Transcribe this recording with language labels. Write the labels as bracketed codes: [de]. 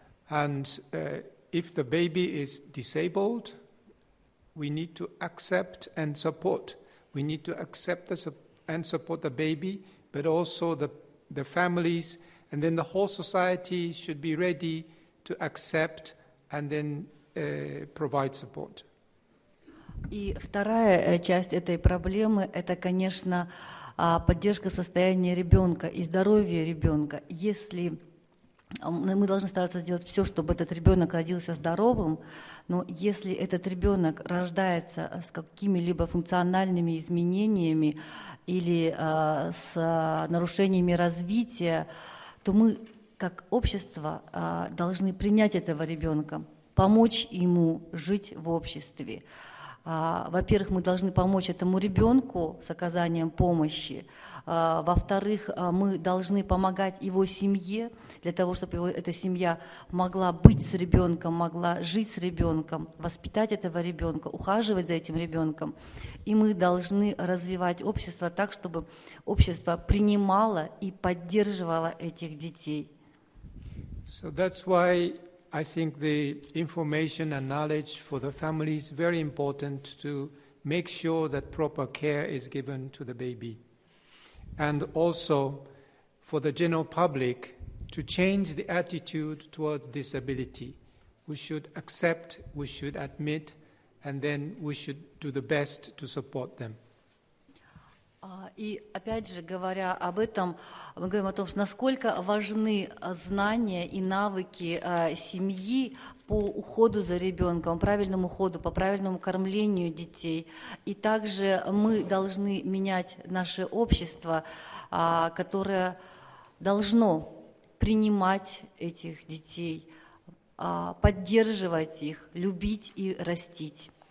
[en] And if the baby is disabled, we need to accept and support. We need to accept and support the baby, but also the families, and then the whole society should be ready to accept and then provide support. [ru] И вторая часть этой проблемы – это, конечно, поддержка состояния ребенка и здоровья ребенка. Если мы должны стараться сделать все, чтобы этот ребенок родился здоровым, но если этот ребенок рождается с какими-либо функциональными изменениями или с нарушениями развития, то мы, как общество, должны принять этого ребенка, помочь ему жить в обществе. Во-первых, мы должны помочь этому ребенку с оказанием помощи. Во-вторых, мы должны помогать его семье для того, чтобы эта семья могла быть с ребенком, могла жить с ребенком, воспитать этого ребенка, ухаживать за этим ребенком. И мы должны развивать общество так, чтобы общество принимало и поддерживало этих детей. [en] So that's why I think the information and knowledge for the family is very important to make sure that proper care is given to the baby. And also for the general public to change the attitude towards disability. We should accept, we should admit, and then we should do the best to support them. [ru] И опять же, говоря об этом, мы говорим о том, насколько важны знания и навыки семьи по уходу за ребенком, правильному уходу, по правильному кормлению детей. И также мы должны менять наше общество, которое должно принимать этих детей, поддерживать их, любить и растить.